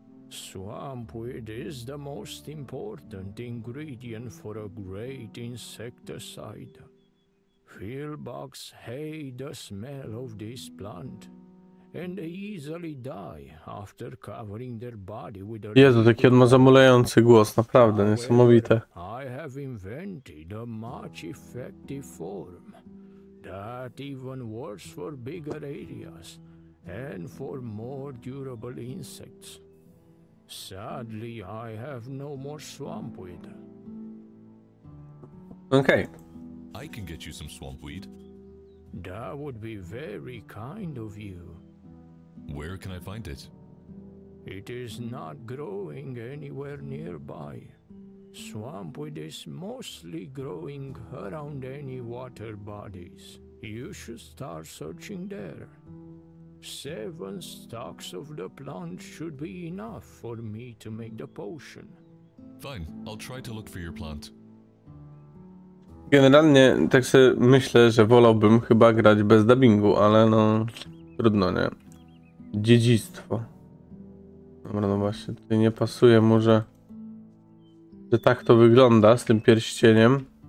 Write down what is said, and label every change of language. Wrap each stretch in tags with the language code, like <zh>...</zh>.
<en>Swampweed is the most important ingredient for a great insecticide. Field bugs hate the smell of this plant, and they easily die after covering their body with a...</en> <pl>Jezu, taki on ma zamulający głos, naprawdę, niesamowite.</pl> <en>I have invented a much effective form. That even works for bigger areas and for more durable insects. Sadly, I have no more swamp weed. Okay. I can get you some swamp weed. That would be very kind of you. Where can I find it? It is not growing anywhere nearby. Swamp weed is mostly growing around any water bodies. You should start searching there. 7 stalks of the plant should be enough for me to make the potion. Fine, I'll try to look for your plant.</en> <pl>Generalnie tak sobie myślę, że wolałbym chyba grać bez dubbingu, ale no trudno, nie? Dziedzictwo. Dobra, no właśnie, tutaj nie pasuje mu, że... Że tak to wygląda z tym pierścieniem.</pl>